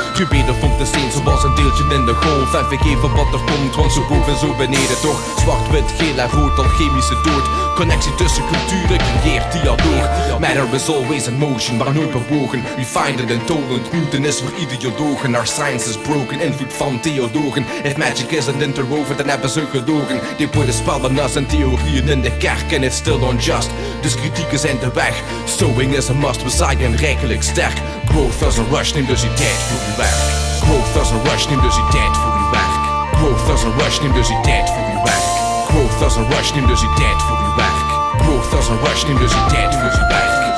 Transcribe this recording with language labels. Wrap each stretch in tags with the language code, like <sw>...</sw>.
<nl>Gebeden vond de steen zoals een deeltje in de golf. En vergeven wat er komt, want zo boven zo beneden toch. Zwart, wit, geel en rood, alchemische dood. Connectie tussen culturen creëert dialoog.</nl> <en>Matter is always in motion,</en> <nl>maar nooit bewogen.</nl> <en>We find it intolerant,</en> <nl>mutant is voor ideologen.</nl> <en>Our science is broken,</en> <nl>invloed van theologen.</nl> <en>If magic isn't interwoven,</en> <nl>dan hebben ze gedogen.</nl> <en>They put a spell on us and</en> <nl>theorieën in de kerk</nl> <en>and it's still unjust.</en> <nl>Dus kritieken zijn de weg.</nl> <en>Sowing is a must,</en> <nl>we zijn rijkelijk sterk.</nl> <en>Growth is a rush,</en> <nl>neem dus je tijd voor uw werk. Growth is a rush, neem dus je tijd voor uw werk.</nl> <en>Growth is a rush,</en> <nl>neem dus je tijd voor uw werk. Growth is a rush, neem dus je tijd voor uw werk.</nl> <en>Growth is a rush,</en> <nl>neem dus je tijd voor uw werk.</nl>